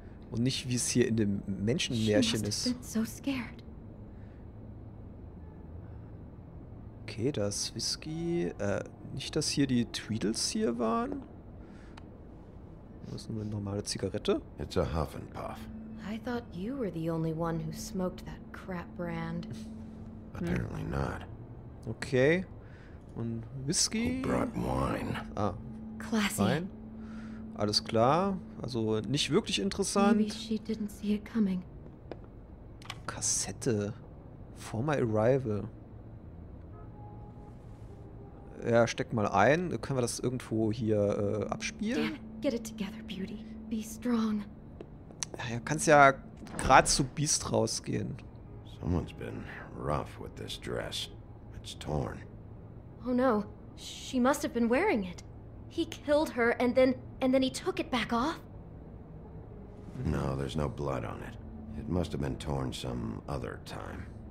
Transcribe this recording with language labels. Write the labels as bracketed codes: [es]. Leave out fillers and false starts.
[de] Und nicht, wie es hier in dem Menschenmärchen ist. [en] So scared. [de] Okay, das Whisky. Nicht, dass hier die Tweedles hier waren. Das ist nur eine normale Zigarette. [en] It's a Huff and Puff. I thought you were the only one who smoked that crap brand. Apparently not. [de] Okay. Und Whisky. [en] Who brought wine? [de] Ah. Classy. Wein. Alles klar. Also nicht wirklich interessant. [en] Maybe she didn't see it coming. Kassette. For my arrival. [de] Ja, steck mal ein. Können wir das irgendwo hier abspielen? [en] Dan, get it together, Beauty. Be strong. [de] Ja, kannst ja gerade zu Beast rausgehen. [en] Someone's been rough with this dress. It's torn. Oh no. She must have been wearing it. He killed her and then he took it back off. No, there's no blood on it. It must have been torn some other time.